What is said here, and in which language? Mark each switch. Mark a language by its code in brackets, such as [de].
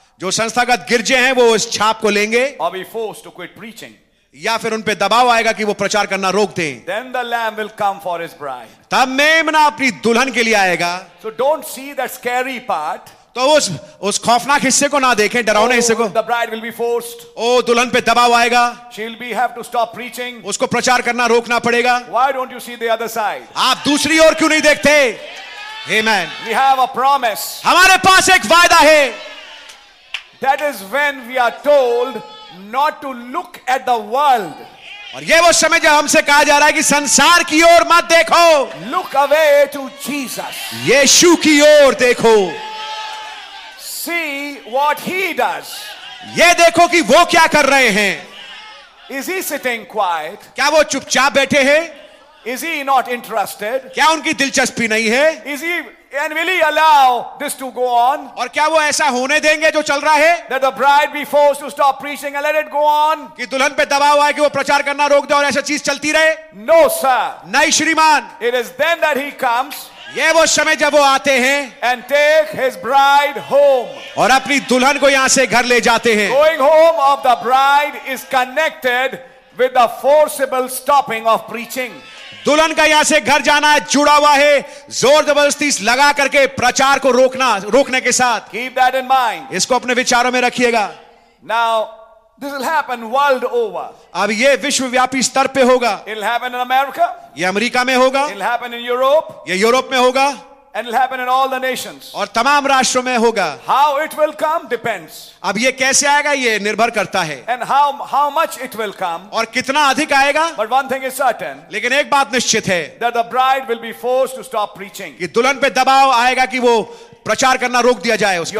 [hi] जो संस्थागत गिरजे हैं वो इस छाप को लेंगे, [en] और be forced to quit preaching, [hi] या फिर उन पे दबाव आएगा कि वो प्रचार करना रोक दें। [en] then the lamb will come for his bride, [hi] तब मेमना अपनी दुल्हन के लिए आएगा। [en] so don't see that scary part, [hi] तो उस खौफनाक हिस्से को ना देखें, डरावने हिस्से को। [en] The bride will be forced. [hi] दुल्हन पे दबाव आएगा। [en] She'll be have to stop preaching. [hi] उसको प्रचार करना रोकना पड़ेगा। [en] Why don't you see the other side? [hi] आप दूसरी ओर क्यों नहीं देखते? [en] Amen. We have a promise. [hi] हमारे पास एक वायदा है। [en] That is when we are told not to look at the world. [hi] और ये वो समय जब हमसे कहा जा रहा है कि संसार की ओर मत देखो। [en] Look away to Jesus. [hi] यीशु की ओर देखो। [en] See what he does. [hi] ये देखो कि वो क्या कर रहे हैं। [en] Is he sitting quiet? [hi] क्या वो चुपचाप बैठे हैं? [en] Is he not interested? [hi] क्या उनकी दिलचस्पी नहीं है? [en] Is he and will he allow this to go on? [hi] और क्या वो ऐसा होने देंगे जो चल रहा है? [en] That the bride be forced to stop preaching and let it go on? [hi] कि दुल्हन पे दबाव आए कि वो प्रचार करना रोक दे और ऐसा चीज चलती रहे? [en] No sir. [hi] नहीं श्रीमान। [en] It is then that he comes. [hi] ये वो समय जब वो आते हैं [en] and take his bride home, [hi] और अपनी दुल्हन को यहां से घर ले जाते हैं। [en] going home of the bride is connected with the forcible stopping of preaching, [hi] दुल्हन का यहां से घर जाना है जुड़ा हुआ है जोर जबरदस्ती लगा करके प्रचार को रोकने के साथ। [en] keep that in mind, [hi] इसको अपने विचारों में रखिएगा। [en] Now This will happen world over. [hi] अब ये विश्वव्यापी स्तर पे होगा। [en] It'll happen in America. [hi] ये अमेरिका में होगा। [en] It'll happen in Europe. [hi] ये यूरोप में होगा। [en] And it'll happen in all the nations. [hi] और तमाम राष्ट्रों में होगा। [en] How it will come depends. [hi] अब ये कैसे आएगा ये निर्भर करता है। [en] And how much it will come. [hi] और कितना अधिक आएगा। [en] But one thing is certain. [hi] लेकिन एक बात निश्चित है। [en] That the bride will be forced to stop preaching. [hi] कि दुल्हन पे दबाव आएगा कि वो प्रचार करना रोक दिया जाए उसका।